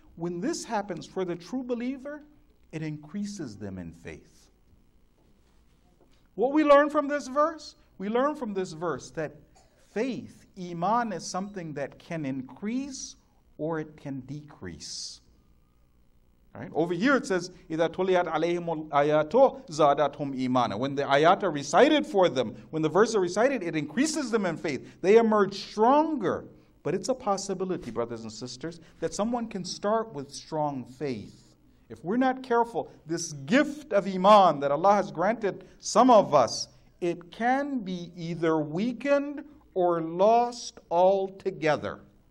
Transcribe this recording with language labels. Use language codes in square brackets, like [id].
[en] When this happens for the true believer, it increases them in faith. What we learn from this verse? We learn from this verse that faith, iman, is something that can increase or it can decrease. Right? Over here it says, [ar] إِذَا تُلِيَتْ عَلَيْهِمُ الْآيَاتُ زَادَتْهُمْ إِيمَانًا. [en] When the ayat are recited for them, when the verse are recited, it increases them in faith. They emerge stronger. But it's a possibility, brothers and sisters, that someone can start with strong faith. If we're not careful, this gift of iman that Allah has granted some of us, it can be either weakened or lost altogether.